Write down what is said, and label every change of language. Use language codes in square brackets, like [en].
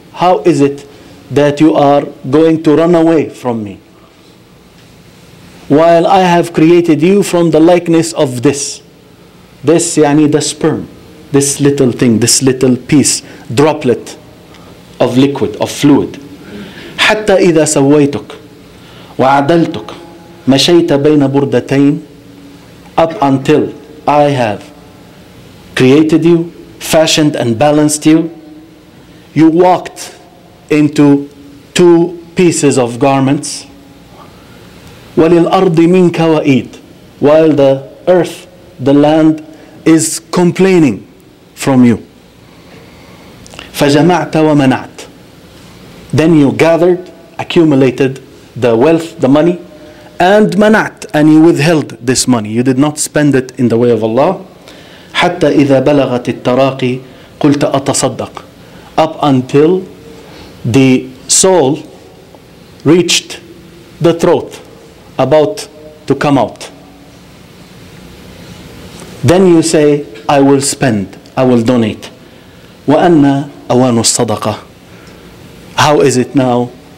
[en] How is it that you are going to run away from me, while I have created you from the likeness of this? This, yani the sperm, this little thing, this little piece, droplet of liquid, of fluid. [ar] حتى إذا سويتك وعدلتك مشيت بين بردتين. [en] Up until I have created you, fashioned and balanced you, you walked into two pieces of garments. [ar] وللأرض منك وإيد, [en] while the earth, the land, is complaining from you. [ar] فجمعت ومنعت. [en] Then you gathered, accumulated the wealth, the money, and منعت, and you withheld this money. You did not spend it in the way of Allah. [ar] حتى إذا بلغت التراقي قلت أتصدق. [en] Up until the soul reached the throat, about to come out. Then you say, I will spend, I will donate. [ar] وَأَنَّ أَوَانُ الصَّدَقَةِ. [en] How is it now?